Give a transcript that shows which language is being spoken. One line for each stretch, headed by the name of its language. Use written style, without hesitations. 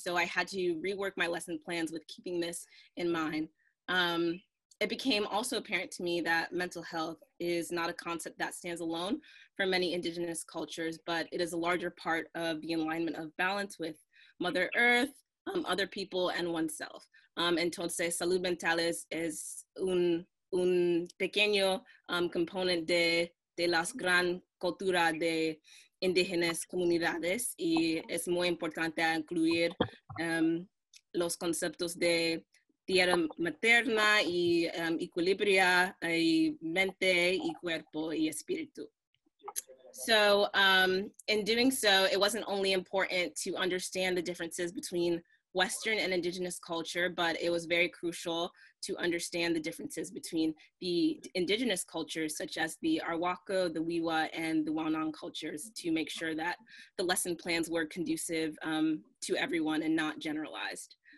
English: So I had to rework my lesson plans with keeping this in mind. It became also apparent to me that mental health is not a concept that stands alone for many Indigenous cultures, but it is a larger part of the alignment of balance with Mother Earth, other people, and oneself.
Spanish: Entonces, salud mental es un pequeño component de las gran cultura de indígenas comunidades, y es muy importante incluir los conceptos de tierra materna y equilibria y mente y cuerpo y espíritu.
English: So in doing so, it wasn't only important to understand the differences between Western and Indigenous culture, but it was very crucial to understand the differences between the Indigenous cultures, such as the Arhuaco, the Wiwa, and the Wanong cultures, to make sure that the lesson plans were conducive to everyone and not generalized.